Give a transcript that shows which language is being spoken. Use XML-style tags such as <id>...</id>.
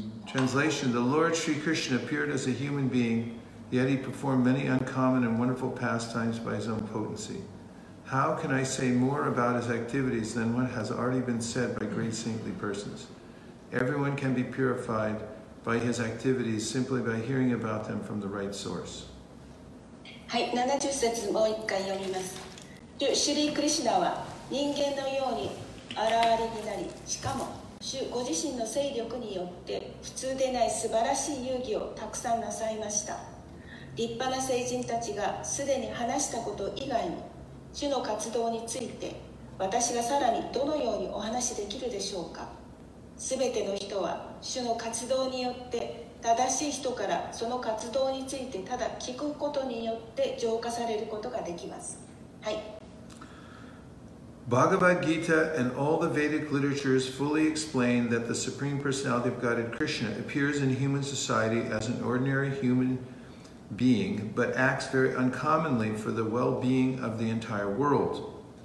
<en>Translation, the Lord Sri Krishna appeared as a human being, yet he performed many uncommon and wonderful pastimes by his own potency. How can I say more about his activities than what has already been said by great saintly persons? Everyone can be purified by his activities simply by hearing about them from the right source.</en> <ja>はい、70節もう一回読みます。シュリー・クリシュナは人間のように現れになり、しかも主ご自身の勢力によって普通でない素晴らしい遊戯をたくさんなさいました。立派な聖人たちがすでに話したこと以外に主の活動について私がさらにどのようにお話しできるでしょうか。すべての人は主の活動によって正しい人からその活動についてただ聞くことによって浄化されることができます。はい。</ja> <en>Bhagavad Gita and all the Vedic literatures fully explain that the Supreme Personality of Godhead Krishna appears in human society as an ordinary human being, but acts very uncommonly for the well-being of the entire world.</en>